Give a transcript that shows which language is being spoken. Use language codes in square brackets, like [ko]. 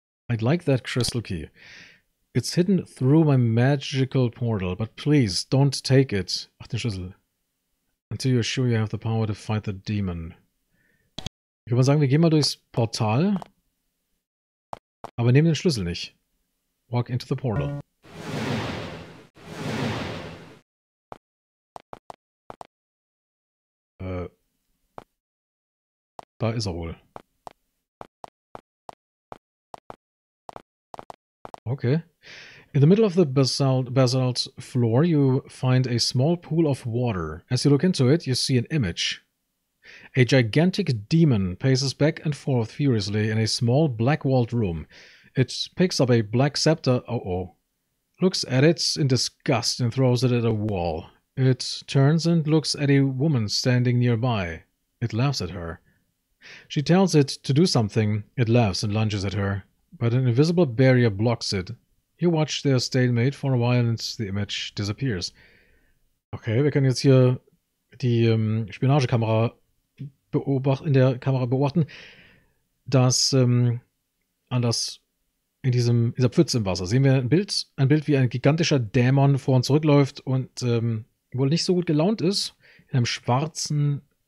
[en] I'd like that crystal key. It's hidden through my magical portal, but please don't take it. [de] Ach, den Schlüssel. [en] Until you're sure you have the power to fight the demon. [de] Ich würde mal sagen, wir gehen mal durchs Portal, aber nehmen den Schlüssel nicht. [en] Walk into the portal. [de] Da ist er wohl. Okay. [en] In the middle of the basalt floor, you find a small pool of water. As you look into it, you see an image. A gigantic demon paces back and forth furiously in a small black-walled room. It picks up a black scepter. Uh-oh. Looks at it in disgust and throws it at a wall. It turns and looks at a woman standing nearby. It laughs at her. She tells it to do something. It laughs and lunges at her, but an invisible barrier blocks it. You watch their stalemate for a while and the image disappears. [de] Okay, wir können jetzt hier die Spionagekamera beobachten, in der Kamera beobachten, dass in dieser Pfütze im Wasser sehen wir ein Bild, wie ein gigantischer Dämon vor uns zurückläuft und wohl nicht so gut gelaunt ist, in einem schwarzen